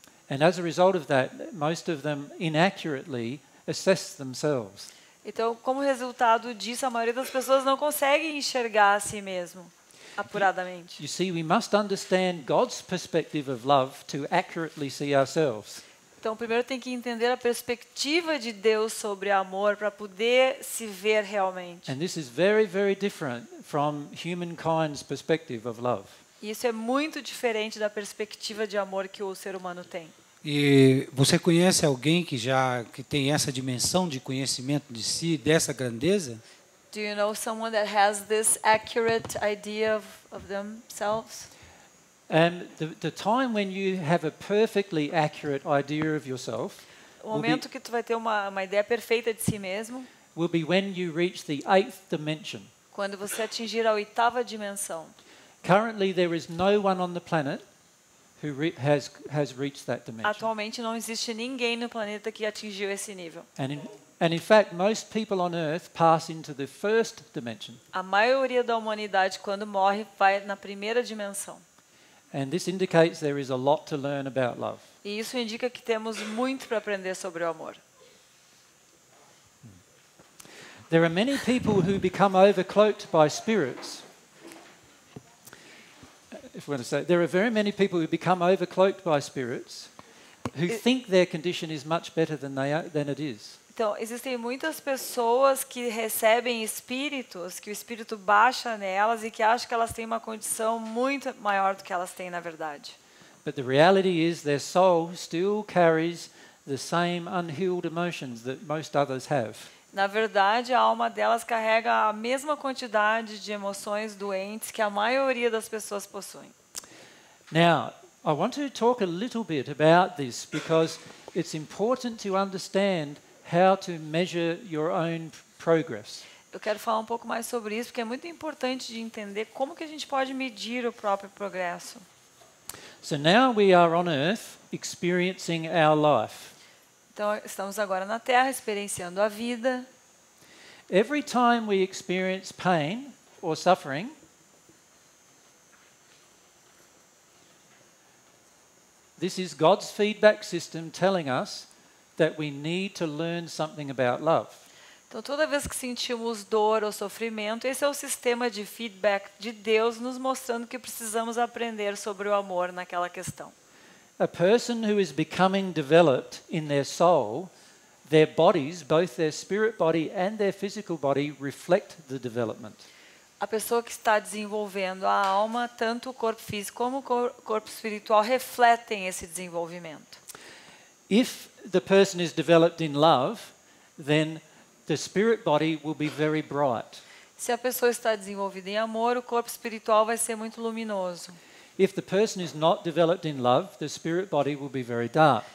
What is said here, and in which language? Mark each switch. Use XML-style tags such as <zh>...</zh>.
<en>And as a result of that, most of them inaccurately assess themselves.</en> <pt>Então, como resultado disso, a maioria das pessoas não consegue enxergar a si mesmo apuradamente.</pt> <en>You see, we must understand God's perspective of love to accurately see ourselves.</en> <pt>Então, primeiro tem que entender a perspectiva de Deus sobre amor para poder se ver realmente.</pt> <en>And this is very, very different from humankind's perspective of love.</en> <pt>E isso é muito diferente da perspectiva de amor que o ser humano tem. E você conhece alguém que já que tem essa dimensão de conhecimento de si, dessa grandeza?</pt> <en>Do you know someone that has this accurate idea of themselves? The time when you have a perfectly accurate idea of yourself.</en> <pt>O momento que tu vai ter uma ideia perfeita de si mesmo.</pt> <en>Will be when you reach the eighth dimension.</en> <pt>Quando você atingir a oitava dimensão.</pt> <en>Currently there is no one on the planet who has reached that dimension.</en> <pt>Atualmente não existe ninguém no planeta que atingiu esse nível.</pt> <en>And in fact most people on earth pass into the first dimension.</en> <pt>A maioria da humanidade quando morre vai na primeira dimensão.</pt> <en>And this indicates there is a lot to learn about love.</en> <pt>E isso indica que temos muito para aprender sobre o amor.</pt> <en>There are many people who become overcloaked by spirits. If we want to say, there are very many people who become overcloaked by spirits who think their condition is much better than it is.</en> <pt>Então, existem muitas pessoas que recebem espíritos, que o espírito baixa nelas e que acham que elas têm uma condição muito maior do que elas têm na verdade.</pt> <en>But the reality is their soul still carries the same unhealed emotions that most others have.</en> <pt>Na verdade, a alma delas carrega a mesma quantidade de emoções doentes que a maioria das pessoas possuem.</pt> <en>Now, I want to talk a little bit about this because it's important to understand how to measure your own progress.</en> <pt>Eu quero falar um pouco mais sobre isso porque é muito importante de entender como que a gente pode medir o próprio progresso.</pt> <en>So now we are on earth experiencing our life.</en> <pt>Então estamos agora na Terra experienciando a vida.</pt> <en>Every time we experience pain or suffering, this is God's feedback system telling us that we need to learn something about love.</en> <pt>Então toda vez que sentimos dor ou sofrimento, esse é o sistema de feedback de Deus nos mostrando que precisamos aprender sobre o amor naquela questão.</pt> <en>A person who is becoming developed in their soul, their bodies, both their spirit body and their physical body reflect the development.</en> <pt>A pessoa que está desenvolvendo a alma, tanto o corpo físico como o corpo espiritual refletem esse desenvolvimento.</pt> <en>If the person is developed in love, then the spirit body will be very bright.</en> <pt>Se a pessoa está desenvolvida em amor, o corpo espiritual vai ser muito luminoso.</pt> <en>If the person is not developed in love, the spirit body will be very dark.</en>